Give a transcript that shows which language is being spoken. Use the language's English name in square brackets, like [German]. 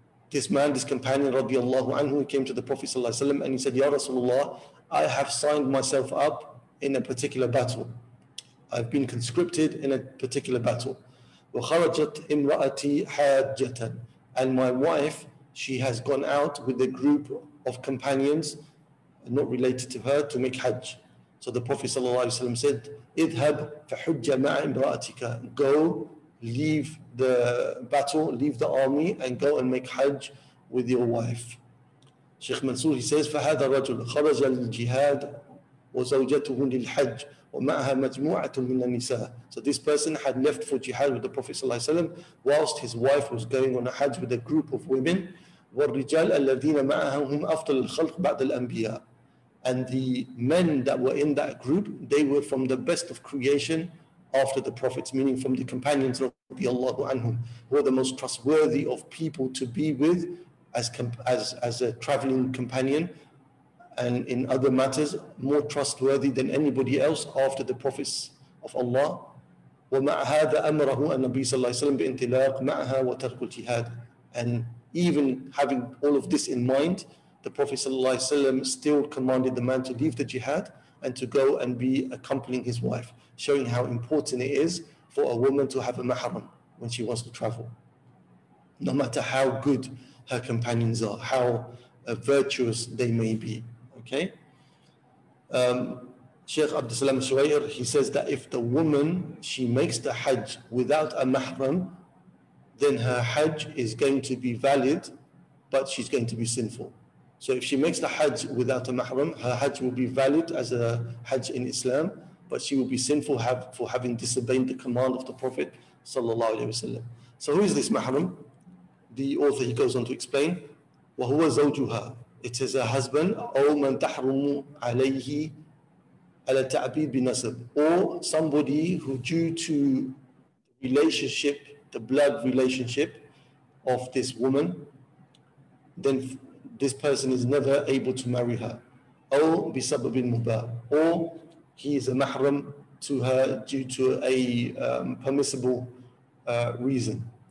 [English] This man, this companion radiallahu anhu, came to the Prophet sallallahu alaihi wasallam and he said, "Ya Rasulullah, I have signed myself up in a particular battle. I've been conscripted in a particular battle. [Arabic] Wa kharajat imraati hajjatan." [English] And my wife, she has gone out with a group of companions not related to her to make hajj. So the Prophet ﷺ said, [Arabic] اِذْهَبْ فَحُجَّ مَعَ إِمْرَأَتِكَ. [English] Go, leave the battle, leave the army, and go and make hajj with your wife. [Arabic] Sheikh Mansour, [English] he says, [Arabic] فَهَذَا الرَّجُلْ خَرَجَ لِلْجِهَادِ وَزَوْجَتُهُ لِلْحَجِّ وَمَعَهَا مَجْمُوعَةٌ مِنَ النِّسَاءِ. [English] So this person had left for jihad with the Prophet ﷺ whilst his wife was going on a hajj with a group of women. [Arabic] والرجال الذين معهم أفضل الخلق بعد الأنبياء. [English] And the men that were in that group, they were from the best of creation after the prophets, meaning from the companions رضي الله عنهم, who were the most trustworthy of people to be with as a traveling companion, and in other matters more trustworthy than anybody else after the prophets of Allah. [Arabic] ومع هذا أمره النبي صلى الله عليه وسلم بانطلاق معها وترك الجهاد. [English] And even having all of this in mind, the Prophet ﷺ still commanded the man to leave the jihad and to go and be accompanying his wife, showing how important it is for a woman to have a mahram when she wants to travel. No matter how good her companions are, how virtuous they may be. Okay. Sheikh Abdussalam Shuayr, he says that if the woman, she makes the hajj without a mahram, then her hajj is going to be valid, but she's going to be sinful. So if she makes the hajj without a mahram, her hajj will be valid as a hajj in Islam, but she will be sinful for having disobeyed the command of the Prophet sallallahu alaihi wasallam. So who is this mahram? The author, he goes on to explain, [Arabic] وَهُوَ زَوْجُهَا. [English] It is her husband, [Arabic] أَوْ مَنْ تَحْرُمُ عَلَيْهِ عَلَى تَعْبِيدِ بِنَسَبٍ. [English] Or somebody who, due to relationship, the blood relationship of this woman, then this person is never able to marry her. [Arabic] أو بسبب المباح. [English] Or he is a mahram to her due to a permissible reason.